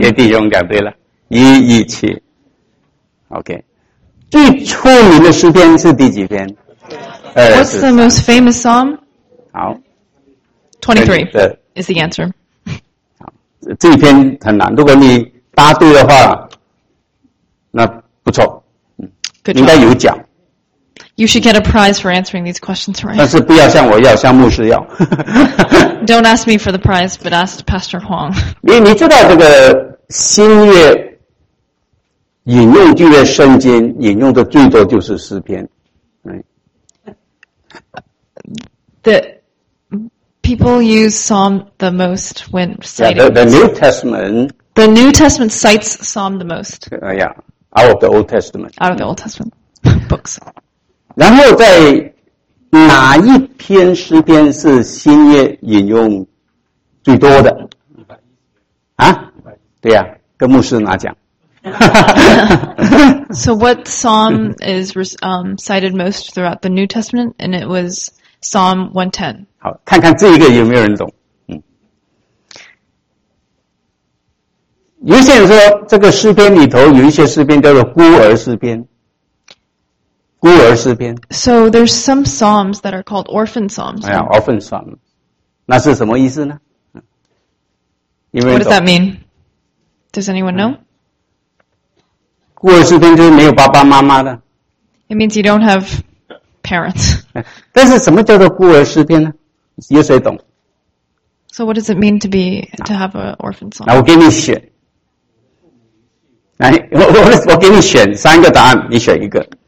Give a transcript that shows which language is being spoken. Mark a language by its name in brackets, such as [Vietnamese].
[Chinese] 也弟兄讲对了117 OK 最出名的诗篇是第几篇 [English] What's the most famous psalm [Chinese] 好 [English] 23 is the answer [Chinese] 这篇很难如果你答对的话，那不错，应该有奖。 [English] You should get a prize for answering these questions, right? [Chinese] 但是不要向我要，向牧师要。 [English] Don't ask me for the prize, but ask Pastor Huang. [Chinese] 你知道这个新约引用旧约圣经引用的最多就是诗篇， [English] The people use Psalm the most when citing. The New Testament. The New Testament cites Psalm the most. Out of the Old Testament. Out of the Old Testament books. [Chinese] 然后在哪一篇诗篇是新约引用最多的？对呀，跟牧师拿奖。 [English] So what Psalm is cited most throughout the New Testament, and it was Psalm 110. [Chinese] 好，看看这一个有没有人懂。有些人说这个诗篇里头有一些诗篇叫做孤儿诗篇孤儿诗篇 [English] So there's some psalms that are called orphan psalms Orphan psalms [Chinese] 那是什么意思呢 [English] What does that mean? Does anyone know? [Chinese] 孤儿诗篇就是没有爸爸妈妈的 [English] It means you don't have parents [Chinese] 但是什么叫做孤儿诗篇呢有谁懂 [English] So what does it mean to have an orphan psalm? [Chinese] 那我给你选来 我给你选三个答案你选一个